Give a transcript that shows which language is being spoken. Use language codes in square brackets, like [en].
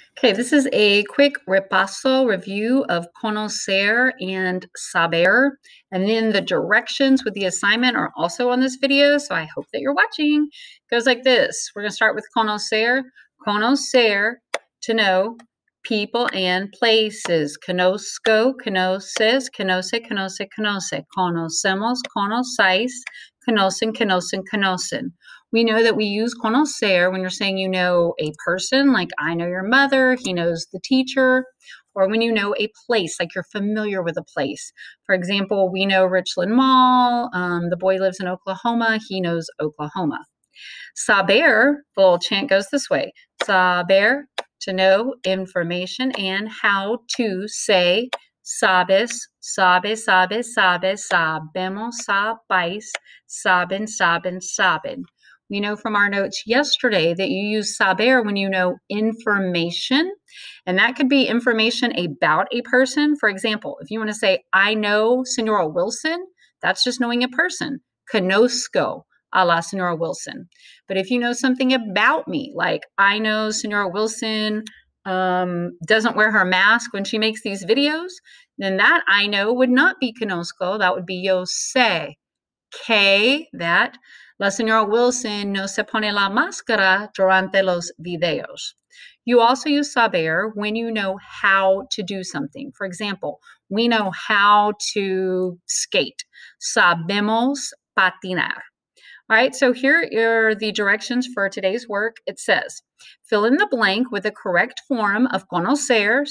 [en] Okay, this is a quick repaso review of CONOCER and SABER. And then the directions with the assignment are also on this video, so I hope that you're watching. It goes like this. We're going to start with CONOCER. CONOCER, to know people and places. [es] Conozco, conoces, conoce, conoce, conoce. Conocemos, conocéis, conocen, conocen, conocen. [en] We know that we use conocer when you're saying you know a person, like I know your mother, he knows the teacher, or when you know a place, like you're familiar with a place. For example, we know Richland Mall, the boy lives in Oklahoma, he knows Oklahoma. Saber, the little chant goes this way. Saber, to know information and how to say. [es] Sabes, sabe, sabe, sabe, sabemos, sabais, saben, saben, saben. [en] We know from our notes yesterday that you use saber when you know information, and that could be information about a person. For example, if you want to say, I know Senora Wilson, that's just knowing a person. [es] Conozco a la Senora Wilson. [en] But if you know something about me, like I know Senora Wilson doesn't wear her mask when she makes these videos, then that I know would not be conozco. That would be [es] yo sé. Que [en] that [es] la señora Wilson no se pone la máscara durante los videos. [en] You also use saber when you know how to do something. For example, we know how to skate. [es] Sabemos patinar. [en] All right, so here are the directions for today's work. It says, fill in the blank with the correct form of conocer.